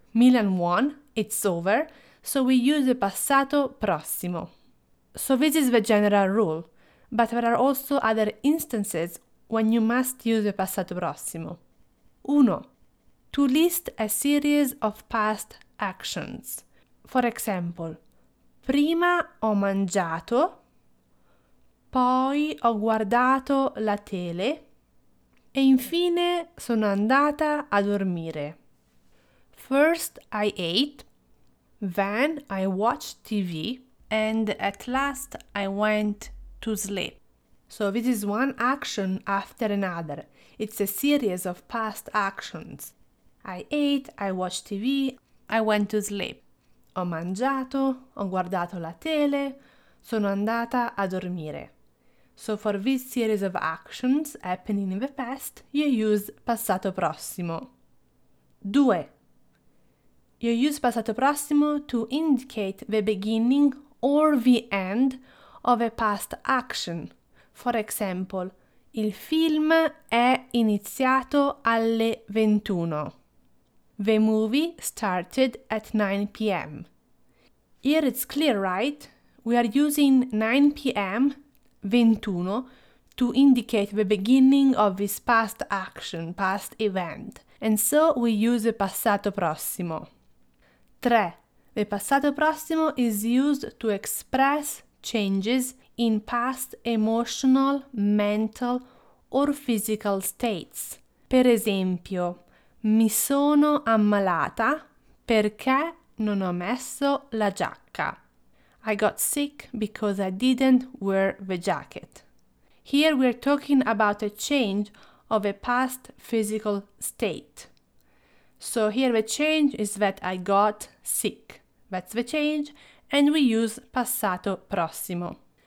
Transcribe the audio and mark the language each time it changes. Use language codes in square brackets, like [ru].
[en] Milan won, it's over, so we use the passato prossimo. So this is the general rule, but there are also other instances when you must use the passato prossimo. 1. To list a series of past actions. For example, [it] prima ho mangiato, poi ho guardato la tele e infine sono andata a dormire. [en] First I ate, then I watched TV, and at last I went to sleep. So this is one action after another. It's a series of past actions. I ate, I watched TV, I went to sleep. [it] Ho mangiato, ho guardato la tele, sono andata a dormire. [en] So for this series of actions happening in the past, you use passato prossimo. 2. You use passato prossimo to indicate the beginning or the end of a past action. For example, [it] il film è iniziato alle 21. [en] The movie started at 9 p.m. Here it's clear, right? We are using 9 p.m., 21, to indicate the beginning of this past action, past event. And so we use the passato prossimo. 3. The passato prossimo is used to express changes in past emotional, mental, or physical states. [it] Per esempio, mi sono ammalata perché non ho messo la giacca. [en] I got sick because I didn't wear the jacket. Here we're talking about a change of a past physical state. So here the change is that I got sick. That's the change, and we use passato prossimo.